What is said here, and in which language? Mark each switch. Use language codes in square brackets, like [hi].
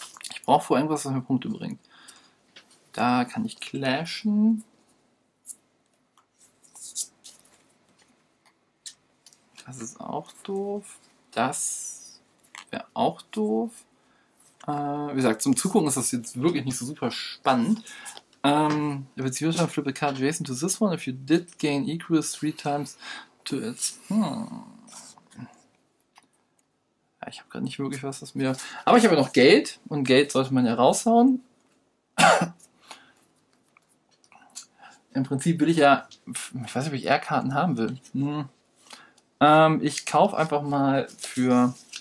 [de] Ich brauche vorher irgendwas, was mir Punkte bringt. Da kann ich clashen. Das ist auch doof. Das wäre auch doof. Wie gesagt, zum Zugucken ist das jetzt wirklich nicht so super spannend. [en] If it's your turn, flip a card adjacent to this one. If you did gain equals three times to it. [de] Ja, ich habe gerade nicht wirklich was, was mir. Aber ich habe ja noch Geld und Geld sollte man ja raushauen. Im Prinzip will ich ja. Ich weiß nicht, ob ich R-Karten haben will. Ich kaufe einfach mal für.